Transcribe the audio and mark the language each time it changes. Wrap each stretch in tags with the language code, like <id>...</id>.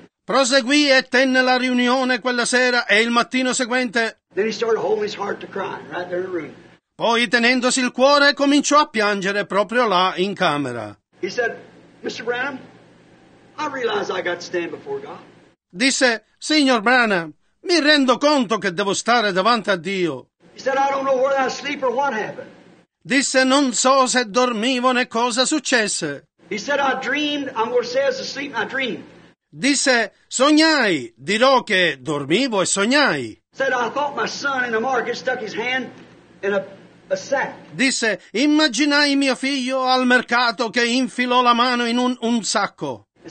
<it>Proseguì e tenne la riunione quella sera e il mattino seguente.</it> <en>Then he started holding his heart to cry, right there in the room.</en> <it>Poi tenendosi il cuore cominciò a piangere proprio là in camera.</it> <en>He said, "Mr. Branham, I realize I got to stand before God."</en> <it>Disse, "Signor Branham, mi rendo conto che devo stare davanti a Dio."</it> <en>He said, "I don't know whether I sleep or what happened."</en> <it>Disse, "Non so se dormivo né cosa successe."</it> <en>He said, "I dreamed, I'm going to say I was asleep and I dreamed."</en> <it>Disse, "Sognai, dirò che dormivo e sognai."</it> <en>He said, "I thought my son in the market stuck his hand in a sack."</en> <it>Disse, "Immaginai mio figlio al mercato che infilò la mano in un sacco."</it>